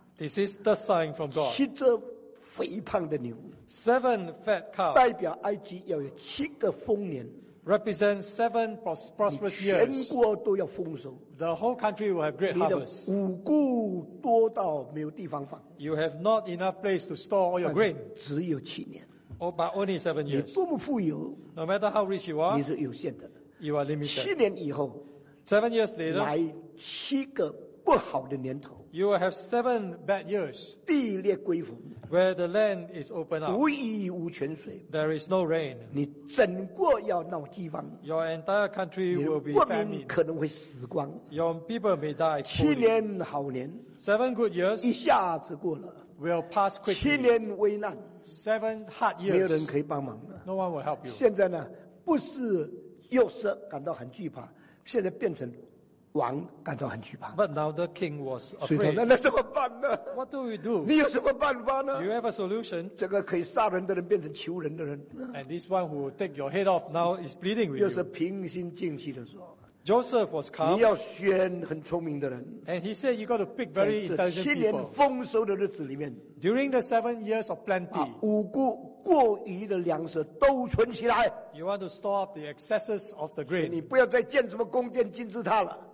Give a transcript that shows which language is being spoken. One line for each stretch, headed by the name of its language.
English: this is the sign from God.
Chinese: 七只肥胖的牛,
English: seven fat cow,
Chinese: 代表埃及要有七个丰年,
English: represents seven prosperous years.
Chinese: 全国都要丰收,
English: the whole country will have great harvest.
Chinese: 你的五谷多到没有地方放,
English: you have not enough place to store all your grain.
Chinese: 只有七年,
English: oh, but only 7 years.
Chinese: 你多么富有,
English: no matter how rich you are,
Chinese: 你是有限的,
English: you are limited.
Chinese: 七年以后,
English: 7 years later,
Chinese: 来七个不好的年头,
English: you will have seven bad years,
Chinese: 地裂归风,
English: where the land is open up,
Chinese: 无雨无泉水,
English: there is no rain,
Chinese: 你整个要闹饥荒,
English: your entire country will be famine,
Chinese: 你的国民可能会死光,
English: your people may die poorly.
Chinese: 七年好年,
English: 7 good years,
Chinese: 一下子过了,
English: will pass quickly.
Chinese: 七年危难,
English: 7 hard years,
Chinese: 没有人可以帮忙,
English: no one will help you.
Chinese: 现在呢, 不是约瑟感到很惧怕, 现在变成王感到很惧怕。
English: But now the king was afraid.
Chinese: 那怎么办呢
English: ？What do we do？
Chinese: 你有什么办法呢
English: ？You have a solution.
Chinese: 这个可以杀人的人变成求人的人。
English: And this one who will take your head off now is pleading with you.
Chinese: 又是平心静气的说。
English: Joseph was calm.
Chinese: 你要选很聪明的人。
English: And he said you got to pick very intelligent people.
Chinese: 七年丰收的日子里面。
English: During the 7 years of plenty.
Chinese: 五谷过余的粮食都存起来。
English: You want to store up the excesses of the grain.
Chinese: 你不要再建什么宫殿金字塔了。